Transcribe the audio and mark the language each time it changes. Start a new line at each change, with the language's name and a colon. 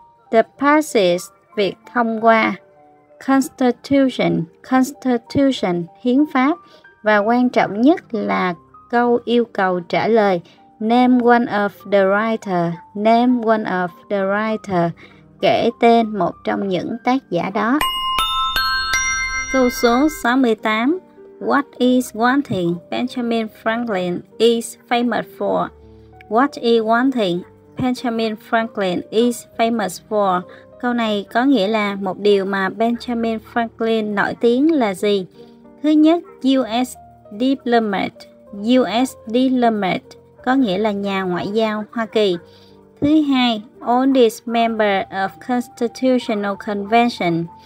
English: The passage,
Vietnamese: việc thông qua. Constitution, Constitution, hiến pháp. Và quan trọng nhất là câu yêu cầu trả lời.
English: Name one of the writer. Name one of the writer.
Vietnamese: Kể tên một trong những tác giả đó. Câu số 68.
English: What is one thing Benjamin Franklin is famous for? What is one thing Benjamin Franklin is famous for?
Vietnamese: Câu này có nghĩa là một điều mà Benjamin Franklin nổi tiếng là gì? Thứ nhất,
English: US diplomat. U.S.
Vietnamese: diplomat có nghĩa là nhà ngoại giao Hoa Kỳ. Thứ hai,
English: oldest member of Constitutional Convention.